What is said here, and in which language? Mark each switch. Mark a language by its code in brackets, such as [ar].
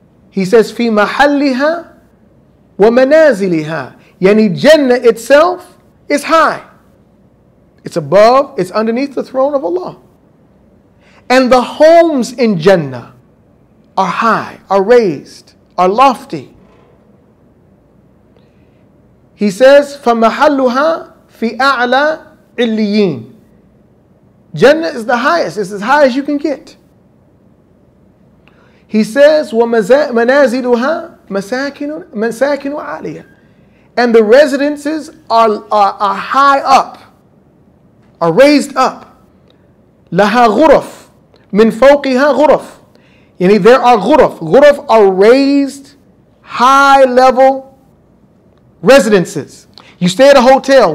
[en] He says, [ar] fi mahalliha wa manaziliha, [en] yani jannah itself is high. It's above, it's underneath the throne of Allah. And the homes in Jannah are high, are raised, are lofty. He says, [ar] فَمَحَلُّهَا فِي أَعْلَى عِلِّيِّينَ. [en] Jannah is the highest. It's as high as you can get. He says, [ar] وَمَنَازِلُهَا مَسَاكِنُ عَلِيَّ. [en] And the residences are high up, are raised up. [ar] لَهَا غُرَفْ مِنْ فَوْقِهَا غُرَفْ. [en] Yani, there are غُرَفْ. غُرَفْ are raised, high level residences. You stay at a hotel.